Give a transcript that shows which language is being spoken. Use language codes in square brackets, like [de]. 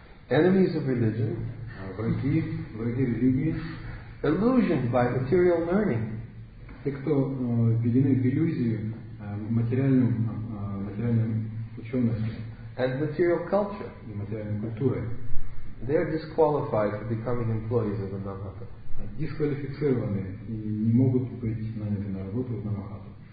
[en] enemies of religion, [ru] враги религии, [en] illusioned by material learning, [ru] те, кто введены в иллюзию материальным ученостью, [en] and material culture, [ru] и материальной культурой. [en] They are disqualified for becoming employees of the Namahata. [ru] Дисквалифицированы и не могут быть наняты на работу в Намахату.